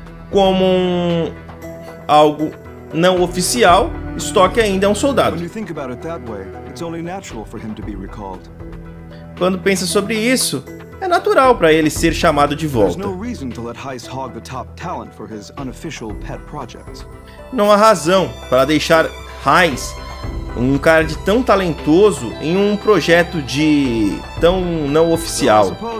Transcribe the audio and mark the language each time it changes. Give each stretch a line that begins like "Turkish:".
Portuguese: Como algo não oficial, Stock ainda é um soldado.
English: When you think about it that way, it's only natural for him to be recalled.
Portuguese: Quando pensa sobre isso, é natural para ele ser chamado de volta.
English: There's no reason to let Heiss hog the top talent for his unofficial pet projects.
Portuguese: Não há razão para deixar Heiss, um cara de tão talentoso, em um projeto de tão não oficial.